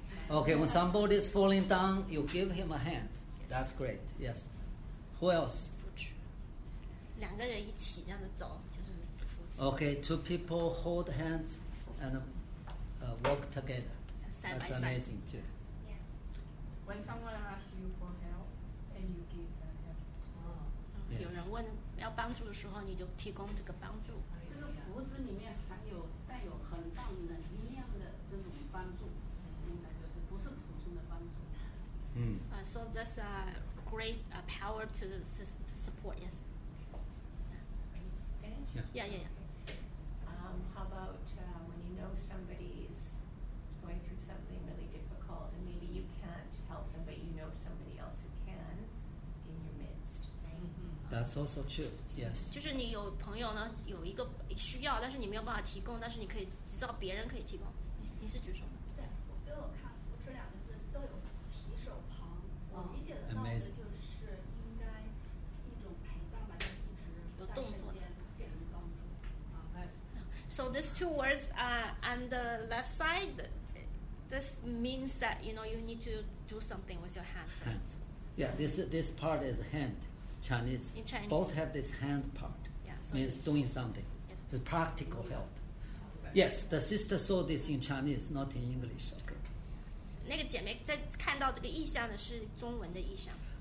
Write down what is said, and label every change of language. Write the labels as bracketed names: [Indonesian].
[English] OK, when somebody is falling down, you give him a hand. That's great. Yes. Who else? [Chinese] 扶持，两个人一起这样子走，就是扶持。 [English] OK, two people hold hands and walk together. That's amazing too. When someone asks you for help, and you give them help. [Chinese] 有人问。要帮助的时候，你就提供这个帮助。这个扶持里面含有带有很大能量的这种帮助，应该就是不是普通的帮助。嗯。 [English] So that's a great power to support. Yes. Finish. Yeah. How about when you know somebody is going through something really difficult, and maybe you can't help them, but you know somebody else who can in your midst, right? That's also true. Yes. [Chinese] 就是你有朋友呢，有一个需要，但是你没有办法提供，但是你可以知道别人可以提供。你是举手吗？对，我给我看扶持两个字都有提手旁，我理解的到的就是应该一种陪伴吧，一直有动作给人帮助。 [English] So these two words are on the left side. This means that you know you need to do something with your hands. Hands. Yeah. This part is hand. Chinese, in Chinese, both have this hand part. Yeah, so means doing something. Yeah. It's practical help. Yes, the sister saw this in Chinese, not in English. Okay. [Chinese] 那个姐妹在看到这个意象的是中文的意象。